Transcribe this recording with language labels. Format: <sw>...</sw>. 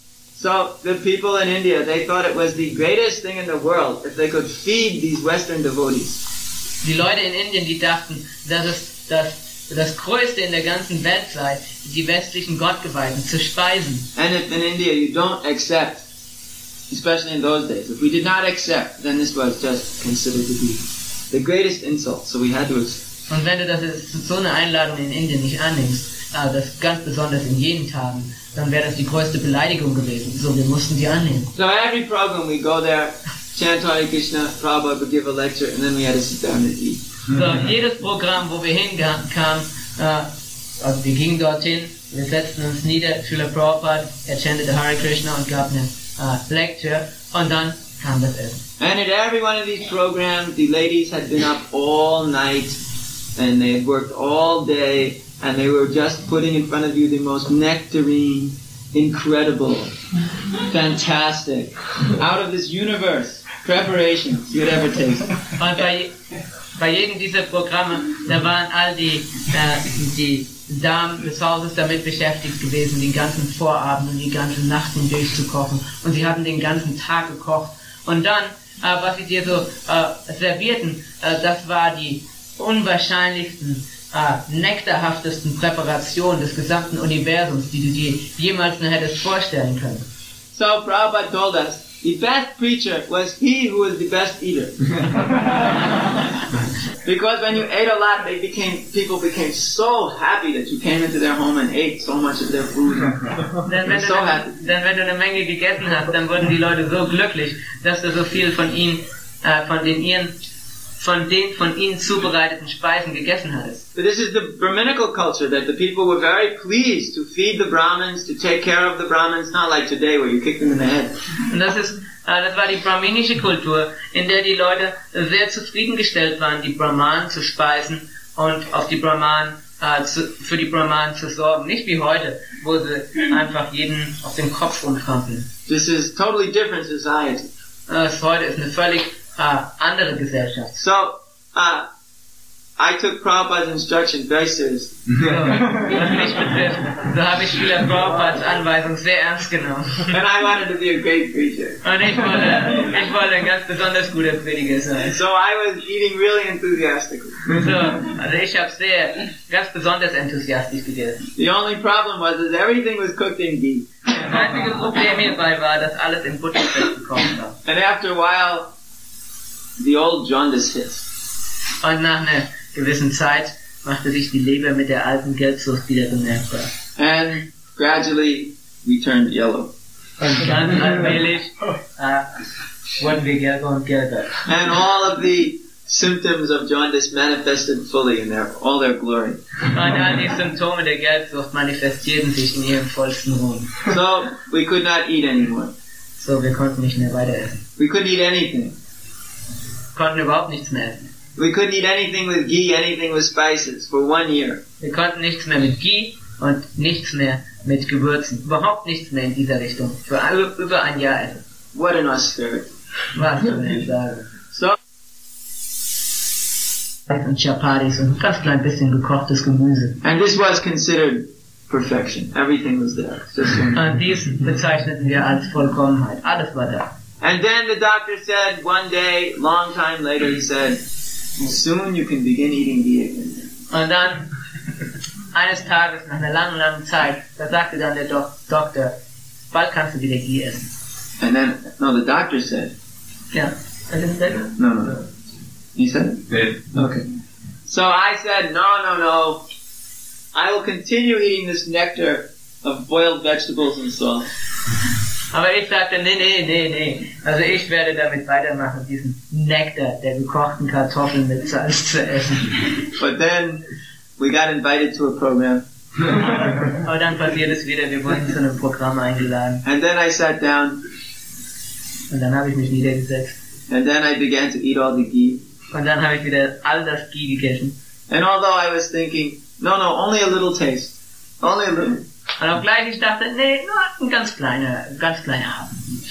<en>So the people in India, they thought it was the greatest thing in the world if they could feed these Western devotees.</en> <de>Die Leute in Indien, die dachten, dass es das Größte in der ganzen Welt sei, die westlichen Gottgeweihten zu speisen.</de> <en>And if in India you don't accept, especially in those days, if we did not accept, then this was just considered to be the greatest insult. So we had to accept.</en> <de>Und wenn du das so eine Einladung in Indien nicht annimmst, das ganz besonders in jenen Tagen, dann wäre das die größte Beleidigung gewesen. So wir mussten die annehmen.</de> <en>So every program we go there, chant Hare Krishna, Prabhupada would give a lecture, and then we had to sit down and eat.</en> <de>So jedes Programm, wo wir hinkamen, also wir gingen dorthin, wir setzten uns nieder, Srila Prabhupada, er chantete Hare Krishna und gab eine Lecture, und dann kam das Essen.</de> <en>And at every one of these programs, the ladies had been up all night, and they had worked all day, and they were just putting in front of you the most nectarine, incredible, fantastic, out of this universe preparations you'd ever taste.</en> <de>Und bei jedem dieser Programme, da waren all die Damen des Hauses damit beschäftigt gewesen, den ganzen Vorabend und die ganze Nacht hindurch zu kochen. Und sie hatten den ganzen Tag gekocht. Und dann, was sie dir so servierten, das war die unwahrscheinlichsten, nektarhaftesten Präparationen des gesamten Universums, die du dir jemals nur hättest vorstellen können.</de> <en>So Prabhupada told us, the best preacher was he who was the best eater. Because when you ate a lot, people became so happy that you came into their home and ate so much of their food. They're so happy.</en> <de>Denn wenn du eine Menge gegessen hast, dann wurden die Leute so glücklich, dass du so viel von den von ihnen zubereiteten Speisen gegessen hattest.</de> <en>But this is the Brahminical culture, that the people were very pleased to feed the Brahmins, to take care of the Brahmins, not like today where you kick them in the head.</en> <de>Und das war die brahminische Kultur, in der die Leute sehr zufriedengestellt waren, die Brahmanen zu speisen und auf die Brahmanen für die Brahmanen zu sorgen. Nicht wie heute, wo sie einfach jeden auf den Kopf umtrampeln.</de> <en>This is totally different society.</en> <de>Heute ist eine völlig andere Gesellschaft.</de> <en>So, I took Prabhupada's instruction very seriously.</en> <de>Was mich betrifft, so habe ich Srila Prabhupada's Anweisung sehr ernst genommen.</de> <en>And I wanted to be a great preacher.</en> <de>Und ich wollte ein ganz besonders guter Prediger sein.</de> <en>So I was eating really enthusiastically.</en> <de>So, also ich habe sehr ganz besonders enthusiastisch gegessen.</de> <en>The only problem was that everything was cooked in ghee.</en> <de>Das einzige Problem hierbei war, dass alles in Butter festgekocht war.</de> <en>And after a while, the old jaundice hits.</en> <de>Und nach einer gewissen Zeit machte sich die Leber mit der alten Gelbsucht wieder bemerkbar.</de> <en>And gradually we turned yellow.</en> <de>Und ganz allmählich wurden wir gelber und gelber.</de> <en>And all of the symptoms of jaundice manifested fully in all their glory.</en> <de>Und all die Symptome der Gelbsucht manifestierten sich in ihrem vollsten Ruhm.</de> <en>So we could not eat anymore.</en> <de>So wir konnten nicht mehr weiter essen.</de> <en>We couldn't eat anything.</en> <de>Konnten überhaupt nichts mehr essen.</de> <en>We couldn't eat anything with ghee, anything with spices for 1 year.</en> <de>Wir konnten nichts mehr mit Ghee und nichts mehr mit Gewürzen. Überhaupt nichts mehr in dieser Richtung. Für über ein Jahr essen.</de> <en>What an austerity.</en> <de>Was für eine Sache.</de> <en>So.</en> <de>Und Chapatis und ein ganz klein bisschen gekochtes Gemüse.</de> <en>And this was considered perfection. Everything was there.</en> <de>Und dies bezeichneten wir als Vollkommenheit. Alles war da.</de> <en>And then the doctor said one day, long time later, he said, Soon you can begin eating the egg.</en> <de>Und dann, eines Tages, nach einer langen, langen Zeit, da sagte dann der Doktor, bald kannst du wieder Gier essen.</de> <en>And then, no, the doctor said. Yeah, I didn't say that? No, no, no. He said? Yeah. Okay. So I said, no, no, no. I will continue eating this nectar of boiled vegetables and so on.</en> <de>Aber ich sagte, nee, nee, nee, nee. Also ich werde damit weitermachen, diesen Nektar der gekochten Kartoffeln mit Salz zu essen.</de> <en>But then we got invited to a program.</en> <de>Aber dann passiert es wieder, wir wurden zu einem Programm eingeladen.</de> <en>And then I sat down.</en> <de>Und dann habe ich mich niedergesetzt.</de> <en>And then I began to eat all the ghee.</en> <de>Und dann habe ich wieder all das Ghee gegessen.</de> <en>And although I was thinking, no, no, only a little taste. Only a little.</en> <de>Und auch gleich, ich dachte, nee, nur ein ganz kleiner Happen.</de>